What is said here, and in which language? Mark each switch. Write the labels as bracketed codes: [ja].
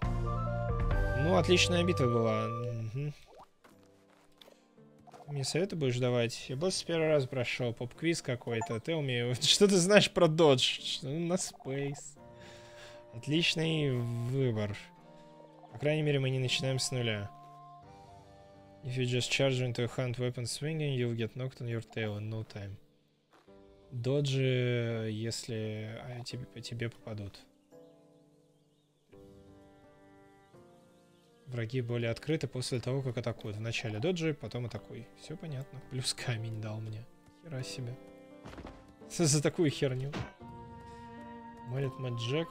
[ru] Ну, отличная битва была. Угу. Мне советы будешь давать? Я босс с первого раза прошел, поп-квиз какой-то. Ты умеешь... Что ты знаешь про додж? Что на спейс? Отличный выбор. По крайней мере, мы не начинаем с нуля. [en] If you just charge into your hand weapon swinging, you'll get knocked on your tail in no time. [ru] Доджи, если тебе попадут. Враги более открыты после того, как атакуют. Вначале доджи, потом атакуй. Все понятно. Плюс камень дал мне. Хера себе. За такую херню. Молит Маджек.